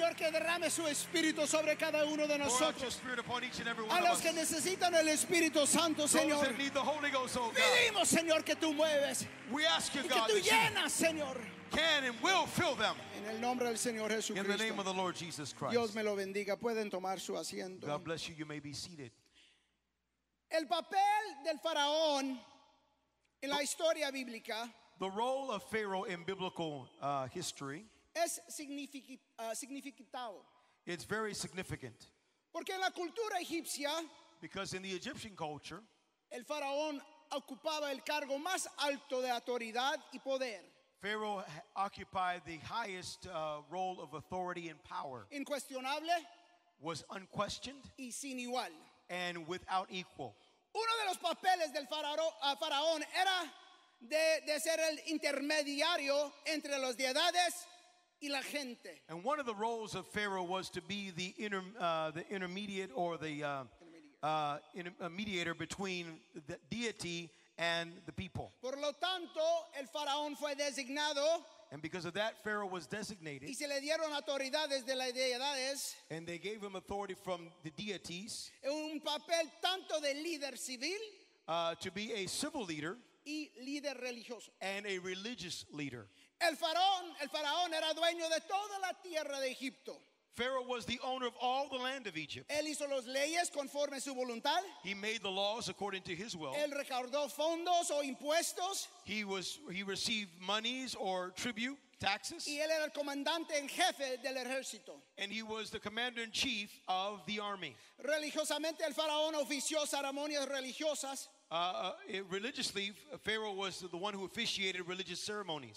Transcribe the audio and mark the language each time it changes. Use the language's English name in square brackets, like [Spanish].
[Spanish] Señor, que derrame su espíritu sobre cada uno de nosotros. [English] Pour out your spirit upon each and every one [Spanish] a los [English] of us. [Spanish] Que necesitan el Espíritu Santo, Señor. [English] Those that need the Holy Ghost, oh God. [Spanish] Pedimos, Señor, que tú mueves. [English] We ask you, [Spanish] y [English] God, [Spanish] que tú llenas, Señor. [English] Can and will fill them. [Spanish] En el nombre del Señor Jesucristo. [English] In the name of the Lord Jesus Christ. [Spanish] Dios me lo bendiga. Pueden tomar su asiento. [English] God bless you. You may be seated. [Spanish] El papel del faraón en la historia bíblica, [English] the role of Pharaoh in biblical history, [Spanish] es significativo. [English] It's very significant. [Spanish] Porque en la cultura egipcia, [English] because in the Egyptian culture, [Spanish] el faraón ocupaba el cargo más alto de autoridad y poder. [English] Pharaoh occupied the highest role of authority and power. [Spanish] Incuestionable. [English] Was unquestioned. [Spanish] Y sin igual. [English] And without equal. [Spanish] Uno de los papeles del faraón era de ser el intermediario entre los deidades y la gente. [English] And one of the roles of Pharaoh was to be the mediator between the deity and the people. [Spanish] Por lo tanto, el faraón fue designado. [English] And because of that, Pharaoh was designated. [Spanish] Y se le dieron autoridades de las deidades. [English] And they gave him authority from the deities. [Spanish] Un papel tanto de líder civil. [English] To be a civil leader. [Spanish] Y líder religioso. [English] And a religious leader. [Spanish] El faraón era dueño de toda la tierra de Egipto. [English] Pharaoh was the owner of all the land of Egypt. [Spanish] Él hizo las leyes conforme su voluntad. [English] He made the laws according to his will. [Spanish] Él recaudó fondos o impuestos. [English] He received monies or tribute, taxes. [Spanish] Y él era el comandante en jefe del ejército. [English] And he was the commander in chief of the army. [Spanish] Religiosamente, el faraón ofició ceremonias religiosas. [English] Religiously, Pharaoh was the one who officiated religious ceremonies.